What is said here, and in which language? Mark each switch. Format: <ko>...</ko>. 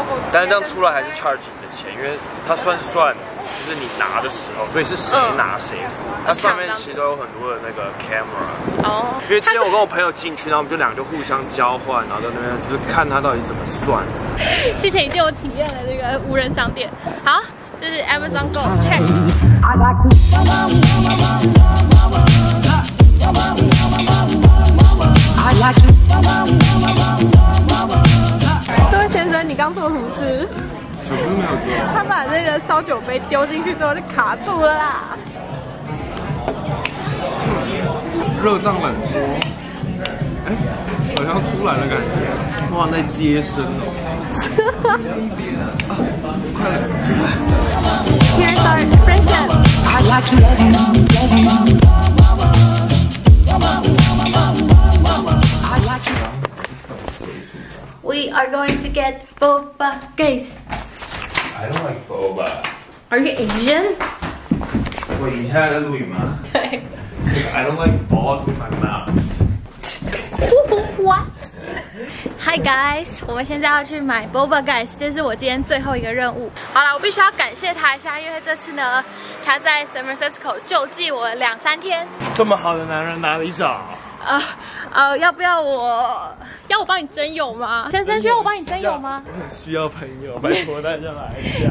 <zh>但是这样出来还是 charge 你的钱，因为它算就是你拿的时候，所以是谁拿谁付。它上面其实都有很多的那个 camera。哦。因为之前我跟我朋友进去，然后我们就两个就互相交换，然后在那边就是看他到底怎么算。谢谢你借我体验了这个无人商店。好，就是 Amazon Go check。这位先生，你刚做什么事？什么都没有做。他把那个烧酒杯丢进去之后就卡住了啦。热胀冷缩，好像出来了感觉。哇，在接生哦。快来，进来。</zh> <en>Here's our friendship. We are going to get boba, guys. I don't like boba. Are you Asian?</en> <zh>Wait, 你现在在录影吗？对。</zh> <en>I don't like balls in my mouth. What? Hi guys,</en> <zh>我们现在要去买 boba, guys. 这是我今天最后一个任务。好了，我必须要感谢他一下，因为这次呢，他在 San Francisco 救济我两三天。这么好的男人哪里找？要不要我？要我帮你征友吗？先生需要我帮你征友吗？我很需要朋友，拜托大家来一下。</zh>